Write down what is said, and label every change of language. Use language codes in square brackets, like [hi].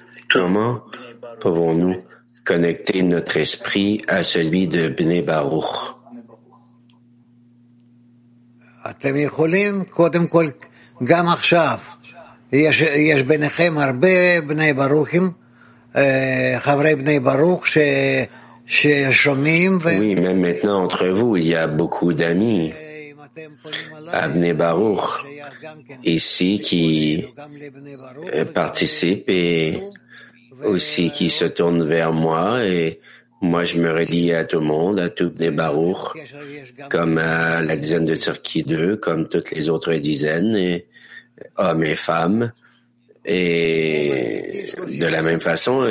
[fr] Comment pouvons-nous connecter notre esprit à celui de Bnei Baruch? [he] אתם יכולים קודם כל גם עכשיו יש ביניכם הרבה בני ברוכים חברי בני ברוך ששומעים [fr] Oui, même maintenant entre vous il y a beaucoup d'amis à Bnei Baruch ici qui participent et aussi qui se tournent vers moi et Moi, je me relie à tout le monde, à tout Bnei Baruch, comme à la dizaine de Turquie 2, comme toutes les autres dizaines, et hommes et femmes, et de la même façon.